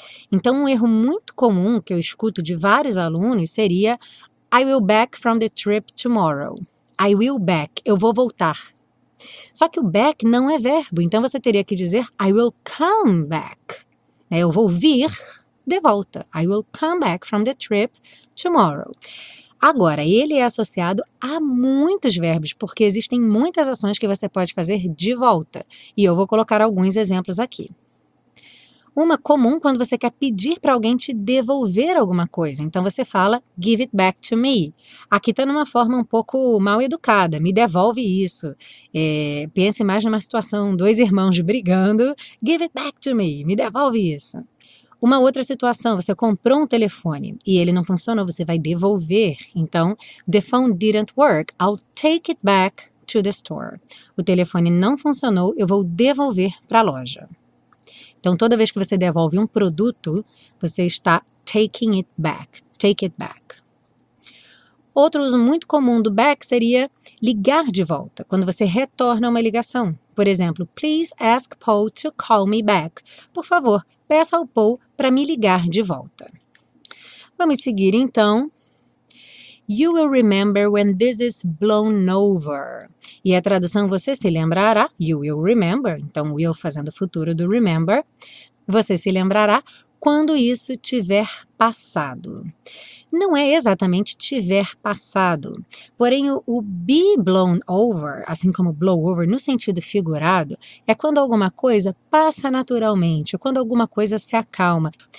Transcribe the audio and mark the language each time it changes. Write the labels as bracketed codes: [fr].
[pt] Então, um erro muito comum que eu escuto de vários alunos seria: [en] I will back from the trip tomorrow. I will back, [pt] eu vou voltar. Só que o back não é verbo, então você teria que dizer: [en] I will come back. [pt] Eu vou vir de volta. [en] I will come back from the trip tomorrow. [pt] Agora, ele é associado a muitos verbos, porque existem muitas ações que você pode fazer de volta. E eu vou colocar alguns exemplos aqui. Uma comum quando você quer pedir para alguém te devolver alguma coisa. Então você fala, [en] give it back to me. [pt] Aqui está numa forma um pouco mal educada, me devolve isso. Pense mais numa situação, dois irmãos brigando, [en] give it back to me [pt] devolve isso. Uma outra situação, você comprou um telefone e ele não funcionou, você vai devolver. Então, [en] the phone didn't work, I'll take it back to the store. [pt] O telefone não funcionou, eu vou devolver para a loja. Então, toda vez que você devolve um produto, você está [en] taking it back, take it back. [pt] Outro uso muito comum do back seria ligar de volta, quando você retorna uma ligação. Por exemplo, [en] please ask Paul to call me back. [pt] Por favor, peça ao Paul para me ligar de volta. Vamos seguir então. [en] You will remember when this is blown over. [pt] E a tradução você se lembrará. [en] You will remember. [pt] Então, will fazendo o futuro do remember. Você se lembrará quando isso tiver passado. Não é exatamente tiver passado. Porém, o be blown over, assim como blow over no sentido figurado, é quando alguma coisa passa naturalmente, quando alguma coisa se acalma.